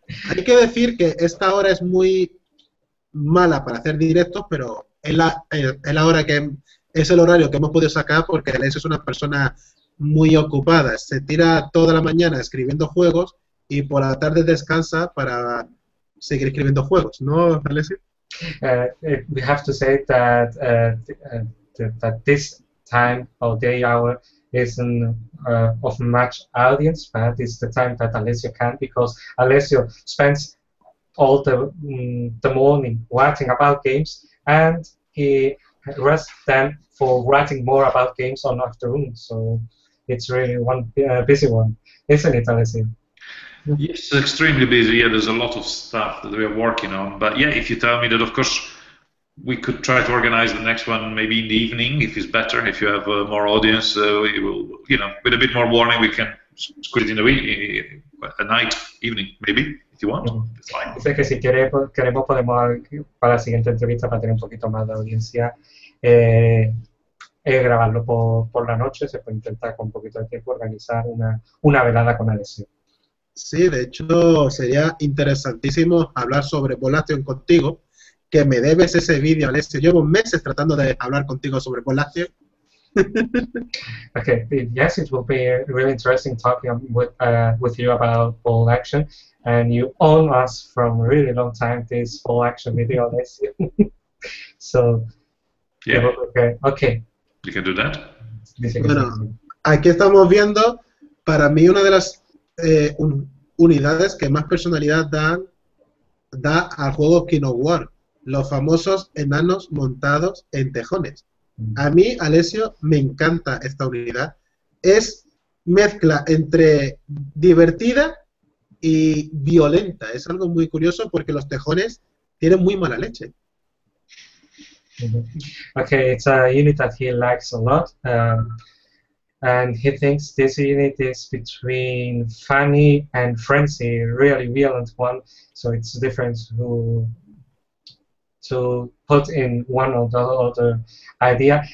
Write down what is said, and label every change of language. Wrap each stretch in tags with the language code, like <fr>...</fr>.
<es>Hay que decir que esta hora es muy mala para hacer directos, pero es la hora que es el horario que hemos podido sacar porque Alessio es una persona muy ocupada. Se tira toda la mañana escribiendo juegos y por la tarde descansa para seguir escribiendo juegos, ¿no, Alessio?</es> <en>We have to say that that this time or day hour isn't of much audience, but it's the time that Alessio can, because Alessio spends all the morning writing about games, and he rests then for writing more about games on afternoon. So it's really one busy one, isn't it, Alessio? Yes, it's extremely busy. Yeah, there's a lot of stuff that we are working on. But yeah, if you tell me that, of course, we could try to organize the next one maybe in the evening, if it's better, if you have more audience, we will, you know, with a bit more warning, we can squeeze in a night, evening, maybe, if you want.</en> <es>Dice que si queremos podemos para la siguiente entrevista para tener un poquito más de audiencia. Grabarlo por la noche, se puede intentar con un poquito de tiempo organizar una velada con Alessio. Sí, de hecho sería interesantísimo hablar sobre Volation contigo, que me debes ese vídeo, Alessio. Llevo meses tratando de hablar contigo sobre Volation.</es> <en>Okay, yes, it will be really interesting talking with you about Volation, and you own us from really long time this Volation video, Alessio. So, yeah, okay. You can do that.</en> <es>Bueno, aquí estamos viendo, para mí una de las unidades que más personalidad da al juego King of War, los famosos enanos montados en tejones. A mí, Alessio, me encanta esta unidad. Es mezcla entre divertida y violenta. Es algo muy curioso porque los tejones tienen muy mala leche.</es> <en>Okay, it's a unit that he likes a lot. And he thinks this unit is between funny and frenzy, really violent one. So it's different who to put in one or the other idea.</en>